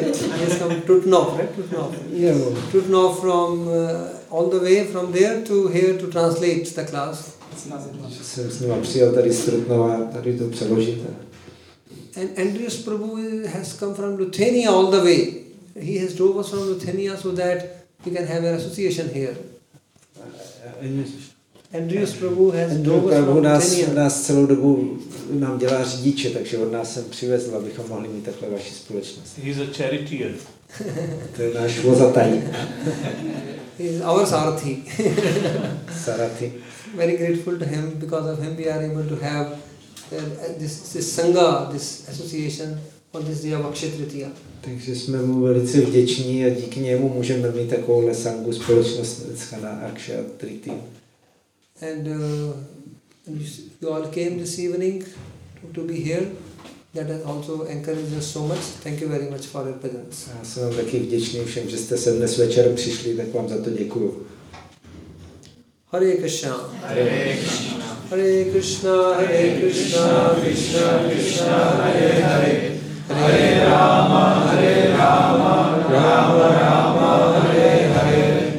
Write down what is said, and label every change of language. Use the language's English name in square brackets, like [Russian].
[English] He has come Trutnov from all the way from there to here to translate the class. [Czech] Jsem s ním přijel tady z Trutnova, tady to přeložit. [English] And Andreas Prabhu has come from Lithuania all the way. He has drove us from Lithuania so that we can have an association here. [Czech] Andreas Prabhu nás celou dobu nám dělá řidiče, takže od nás sem přivezl, abychom mohli mít takhle vaši společnost. [English] He's a charioteer. [Czech] To je náš vozatají. [English] Our Sarathi. Sarathi. Very grateful to him, because of him we are able to have this Sangha, this association on this day of Akshaya Tritiya. [Czech] Takže jsme mu velice vděční a díky němu můžeme mít takovouhle Sangu společnost dneska na Akshaya Tritiya. [English] And you all came this evening to be here. That has also encouraged us so much. Thank you very much for your presence. [Czech] Já jsem vám taky vděčný všem, že jste sem dnes večer přišli, tak vám za to děkuju. [English] Hare Krishna. Hare Krishna. [Sanskrit] Hare Krishna, Hare Krishna, Krishna Krishna, Hare Hare. Hare Rama, Hare Rama, Rama Rama, Hare Hare.